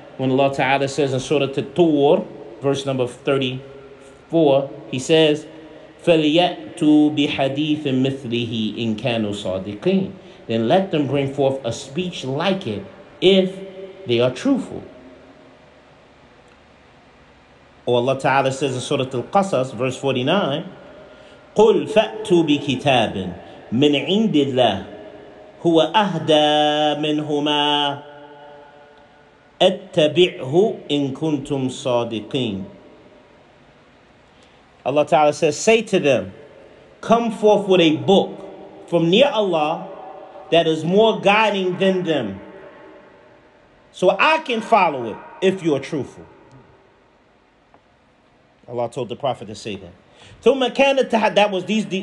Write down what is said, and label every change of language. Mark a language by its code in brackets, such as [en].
[en] When Allah Ta'ala says in Surah At-Tur, verse number 34, he says, [ar] فَلْيَأْتُوا بِحَدِيثٍ مِثْلِهِ إِنْ كَانُوا صَادِقِينَ, [en] then let them bring forth a speech like it if they are truthful. Or Allah Ta'ala says in Surah Al-Qasas, verse 49, [ar] قُلْ فَأْتُوا بِكِتَابٍ مِنْ عِنْدِ اللَّهِ هُوَ أَهْدَى مِنْهُمَا أَتَّبِعْهُ إِنْ كُنْتُمْ صَادِقِينَ. [en] Allah Ta'ala says, say to them, come forth with a book from near Allah that is more guiding than them, so I can follow it if you are truthful. Allah told the Prophet to say that. So that was these.